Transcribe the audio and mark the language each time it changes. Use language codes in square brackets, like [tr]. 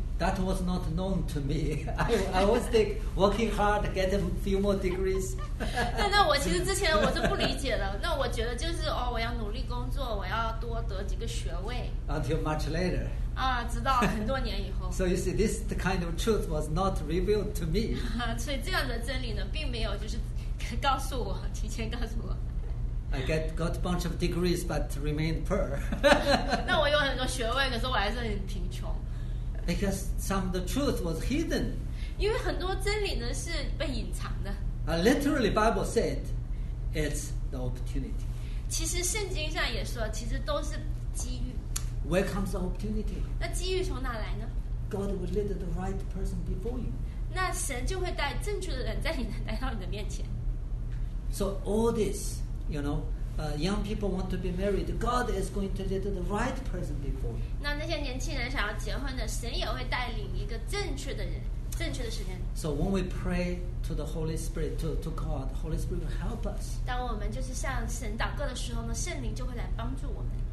[en] That was not known to me. I was think working hard to get a few more degrees. [zh] 那我其实之前我是不理解的。那我觉得就是哦，我要努力工作，我要多得几个学位。 [en] Until much later. [zh] 啊，直到很多年以后。 [en] So you see, this kind of truth was not revealed to me. [zh] 所以这样的真理呢，并没有就是告诉我，提前告诉我。 [en] I got a bunch of degrees, but remained poor. [zh] 那我有很多学位，可是我还是很贫穷。 [en] Because some of the truth was hidden. [zh] 因为很多真理呢是被隐藏的。 [en] Literally, Bible said, it's the opportunity. [zh] 其实圣经上也说，其实都是机遇。 [en] Where comes the opportunity? [zh] 那机遇从哪来呢？ [en] God will lead the right person before you. [zh] 那神就会带正确的人在你来到你的面前。 [en] So all this, you know,young people want to be married. God is going to lead the right person before you. [zh] 那那些年轻人想要结婚的，神也会带领一个正确的人，正确的时间。 [en] So when we pray to the Holy Spirit, to God, the Holy Spirit will help us. [zh] 当我们就是向神祷告的时候呢，圣灵就会来帮助我们。